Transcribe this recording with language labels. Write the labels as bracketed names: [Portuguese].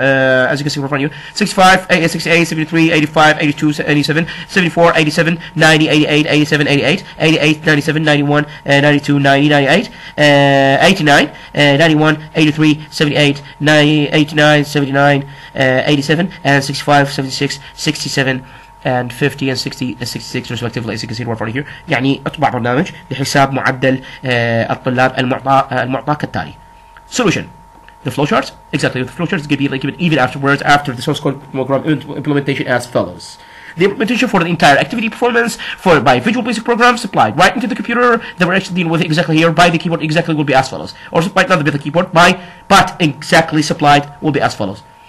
[English] As you can see from front of you, 65, 68, 73, 85, 82, 87, 74, 87, 90, 88, 87, 88, 88, 97, 91, 92, 90, 98, 89, 91, 83, 78, 89, 79, 87, and 65, 76, 67, and 50 and 66 respectively as you can see right here. [Arabic] يعني اطبع برنامج لحساب معدل الطلاب المعطى كالتالي. [English] Solution. The flowchart. Exactly. The flowchart is going to be like even afterwards after the source code program implementation as follows. The implementation for the entire activity performance for by visual basic program supplied right into the computer that we're actually dealing with exactly here by the keyboard exactly will be as follows. Or supplied not by the keyboard, but exactly supplied will be as follows.